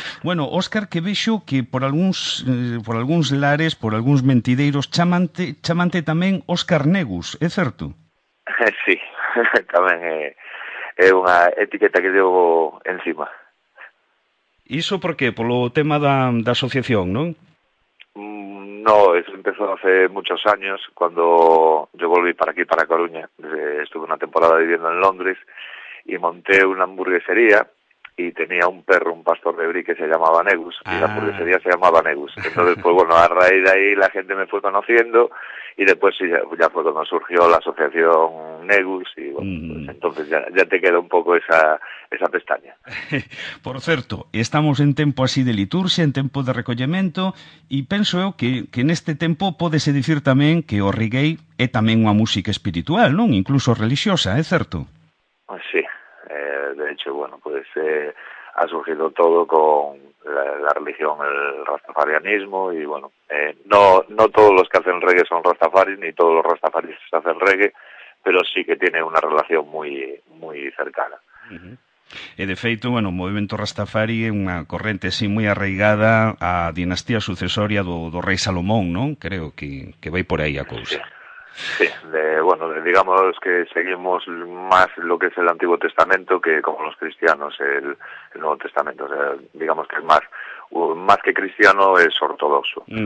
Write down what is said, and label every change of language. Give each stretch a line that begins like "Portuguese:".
Galician: Bueno, Óscar, que vexo que por algúns lares, por algúns mentideiros, chamante tamén Óscar Negus, é certo? Sí, tamén é unha etiqueta que deu encima. Iso por qué? Polo tema da asociación, non?
Spanish: No, eso empezó hace muchos años, cuando yo volví para aquí, para Coruña. Estuve una temporada viviendo en Londres y monté una hamburguesería y tenía un perro, un pastor de Brie, que se llamaba Negus. Y la hamburguesería se llamaba Negus. Entonces, pues bueno, a raíz de ahí la gente me fue conociendo y después sí, ya fue cuando surgió la asociación Negus. Y bueno, pues entonces ya te quedó un poco esa pestaña.
Galician: Por certo, estamos en tempo así de liturxia, en tempo de recollemento, e penso eu que neste tempo podese dicir tamén que o reggae é tamén unha música espiritual, non? Incluso religiosa, é certo?
Spanish: Sí, de hecho, bueno, pues ha surgido todo con la religión, el rastafarianismo, y bueno, no todos los que hacen reggae son rastafaris, ni todos los rastafaris hacen reggae, pero sí que tiene una relación muy, muy cercana.
Galician: E de feito, bueno, o movemento Rastafari é unha corrente así moi arraigada á dinastía sucesoria do rei Salomón, non? Creo que vai por aí a cousa. Sí, digamos que seguimos máis lo que é o Antigo Testamento que, como os cristianos, el Novo Testamento. O sea, digamos que é máis que cristiano, é ortodoxo.